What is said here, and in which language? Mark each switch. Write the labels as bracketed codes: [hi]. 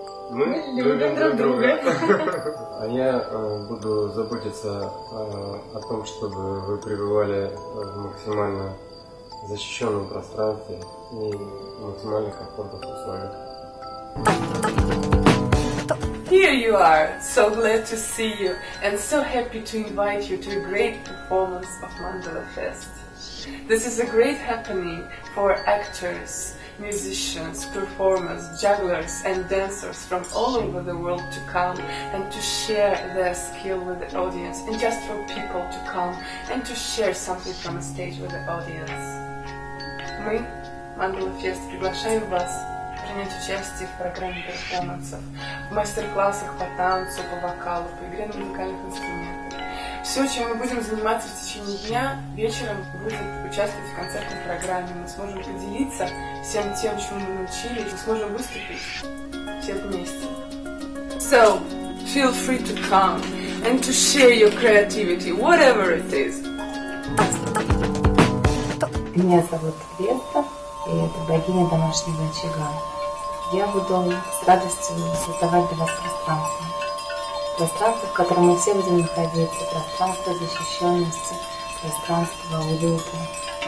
[ru] Мы любим друг друга. А я буду заботиться о том, чтобы вы пребывали в максимально защищенном пространстве и максимально комфортных условиях. [en] Here you are! So glad to see you and so happy to invite you to a great performance of Mandala Fest. This is a great happening for actors, musicians, performers, jugglers and dancers from all over the world to come and to share their skill with the audience, and just for people to come and to share something from a stage with the audience. [ru] Мы, Mandala Fest, приглашаем вас принять участие в программе перформансов, в мастер-классах по танцу, по вокалу, по игре на музыкальных инструментах. Все, чем мы будем заниматься в течение дня, вечером будет участвовать в концертной программе. Мы сможем поделиться всем тем, чему мы научились, мы сможем выступить все вместе. [en] So, feel free to come and to share your creativity, whatever it is. [ru] Меня зовут Ветта, и это богиня домашнего очага. Я буду с радостью создавать для вас пространство. Пространство, в котором мы все будем находиться. Пространство защищенности, пространство уюта,